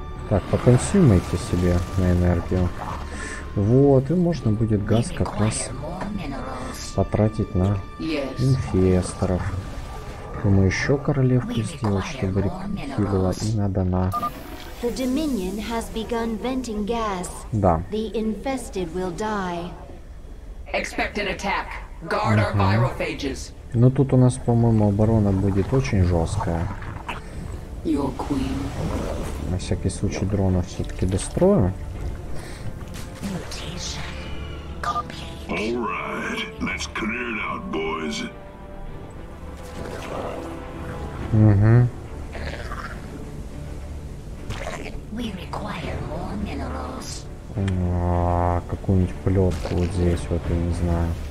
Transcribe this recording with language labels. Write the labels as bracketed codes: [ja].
[ru] Так, поконсюмайте себе на энергию. Вот, и можно будет газ как раз потратить на инфесторов. Думаю, еще королевку сделать, чтобы реки была и надо на... [en] The Dominion has begun venting gas. [ru] Да. [en] The infested will die. Expect an attack. Guard our virophages. [ru] Ну тут у нас, по-моему, оборона будет очень жесткая. [en] Your queen. [ru] На всякий случай дрона все-таки дострою. [en] All right, let's clear it out, boys. We require more minerals. [ru] Какую-нибудь плетку вот здесь, вот я не знаю.